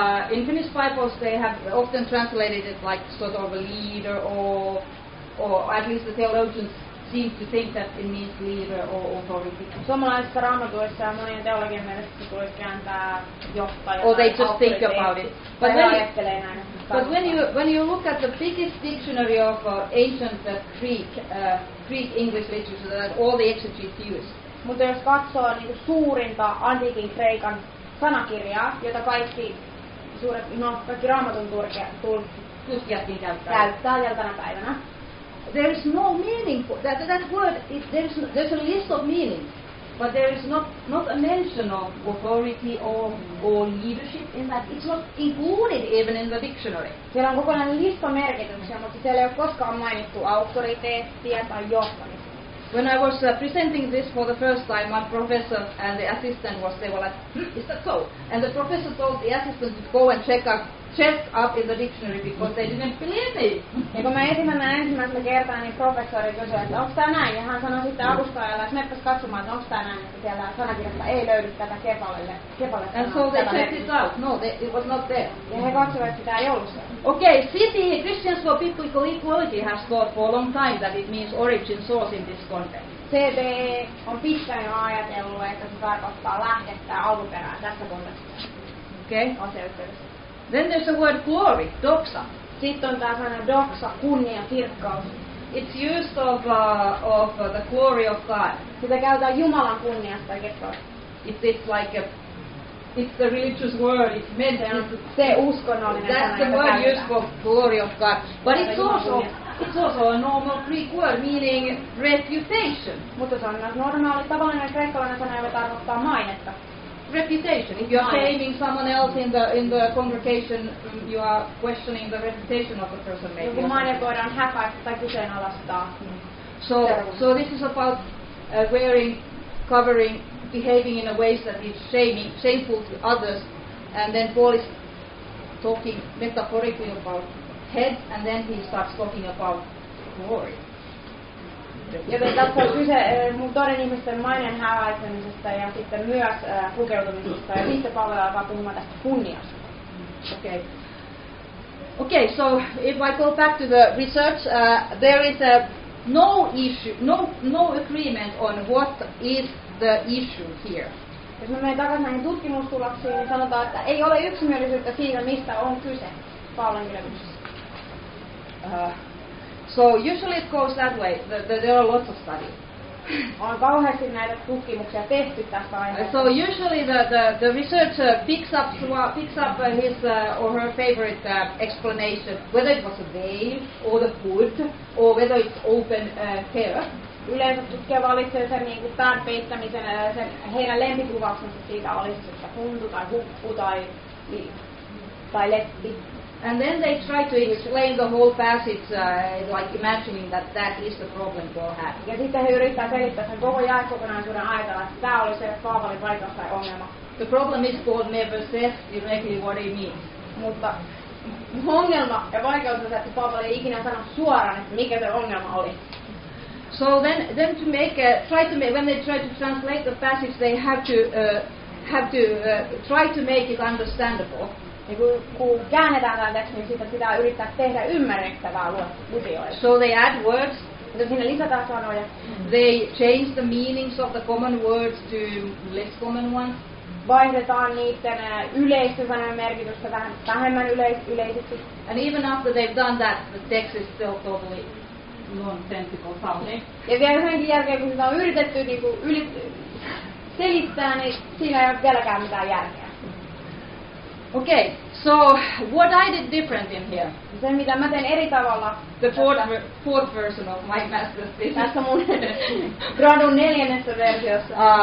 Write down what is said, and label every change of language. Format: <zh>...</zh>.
<en>In Finnish Bibles they have often translated it like sort of a leader or at least the theologians seem to think that it means leader or authority.</en> <fi>Suomalaisissa raamatuissa ja monien teologian mielestä tulisi kääntää johtaja.</fi> <en>Or they just think about it. But he</en> <fi>ajattelee näin.</fi> <en>But when you look at the biggest dictionary of ancient Greek English literature that all the exegetes use.</en> <fi>Mutta jos katsoo niin kuin suurinta antiikin kreikan sanakirjaa, jota kaikki raamatun tulkijatkin käyttää tänä päivänä.</fi> <en>there is no meaning for that. That word, it, there's a list of meanings, but there is not a mention of authority or leadership in that. It's not included even in the dictionary.</en> <fi>Siellä on kokonainen lista merkityksiä, mutta siellä ei ole koskaan mainittu auktoriteettia tai johtamista.</fi> <en>When I was presenting this for the first time, my professor and the assistant was there, like, is that so? And the professor told the assistant to go and check up in the dictionary because they didn't believe me.</en> <fi>Ja kun mä ensimmäisellä kertaa, niin professori kysyi, että onko tämä näin? Ja hän sanoi sitten avustajalle, että meppäs katsomaan, että onko tämä näin, että siellä sanakirjassa ei löydy tätä kepalle.</fi> <en>And so they checked it out. No, it was not there.</en> <fi>Ja he katsoivat, että tämä ei ollut se.</fi> <en>Okay, city, Christians for Biblical Equality has thought for a long time that it means origin source in this context.</en> <fi>CB on pitkään jo ajatellut, että se tarkoittaa lähdettä alkuperää tässä kontekstissa.</fi> <en>Okay. Then there's the word glory, doxa.</en> <fi>Sitten on tämä sana doxa, kunnia, kirkkaus.</fi> <en>It's used of the glory of God.</en> <fi>Sitä käytetään Jumalan kunniasta ja kirkkaus.</fi> <en>It's like a... It's the religious word. It's meant</en> <fi>se uskonnollinen.</fi> <en>That's the word used for glory of God. But it's also a normal Greek word meaning reputation.</en> <fi>Mutta se on myös normaali tavallinen kreikkalainen sana, joka tarkoittaa mainetta.</fi> <en>Reputation. If you are shaming someone else in the congregation, you are questioning the reputation of the person. Maybe.</en> <fi>Joku maine voidaan häpäistä tai kyseenalaistaa.</fi> <en>So this is about wearing, covering. Behaving in a way that is shameful to others, and then Paul is talking metaphorically about head, and then he starts talking about glory.</en> <fi>Joten tässä on kyse mun toden ihmisten maineen häväisemisestä ja sitten myös pukeutumisesta, ja sitten Paul alkaa puhumaan tästä kunniasta.</fi> <en>Okay, so if I go back to the research, there is a no issue, no agreement on what is the issue here.</en> <fi>Jos me menemme takaisin näihin tutkimustuloksiin, niin sanotaan, että ei ole yksimielisyyttä siinä, mistä on kyse Paulin kirjoituksessa.</fi> <en>So usually it goes that way. There are lots of studies.</en> <fi>On kauheasti näitä tutkimuksia tehty tästä aiheesta.</fi> <en>So usually the researcher picks up his or her favorite explanation, whether it was a veil or the hood or whether it's open hair.</en> <fi>Yleensä tutkija valitsee sen niin kuin pään peittämisen, sen heidän lempikuvauksensa siitä olisi, että puntu tai huppu tai leppi.</fi> <en>And then they try to explain the whole passage like imagining that is the problem Paul had.</en> <fi>Ja sitten he yrittää selittää sen koko jaekokonaisuuden ajatella, että tämä oli se Paavalin paikassa tai ongelma.</fi> <en>The problem is Paul never says directly what he means.</en> <fi>Mutta ongelma ja vaikeus on se, että Paavali ei ikinä sano suoraan, että mikä se ongelma oli.</fi> <en>So then to make when they try to translate the passage, they have to try to make it understandable.</en> <fi>Ja kun käännetään tämän tekstin, niin siitä pitää yrittää tehdä ymmärrettävää lukijoille.</fi> <en>So they add words.</en> <fi>Ja sinne lisätään sanoja.</fi> <en>They change the meanings of the common words to less common ones.</en> <fi>Vaihdetaan niiden yleistä sanojen merkitystä vähän vähemmän yleisiksi.</fi> <en>And even after they've done that, the text is still totally nonsensical sounding.</en> <fi>Ja vielä yhdenkin jälkeen, kun sitä on yritetty niin kuin selittää, niin siinä ei ole vieläkään mitään järkeä.</fi> <en>Okay, so what I did different in here?</en> <fi>Se, mitä mä teen eri tavalla.</fi> <en>The fourth version of my master's thesis.</en> <fi>Tässä mun gradun neljännessä versiossa.</fi>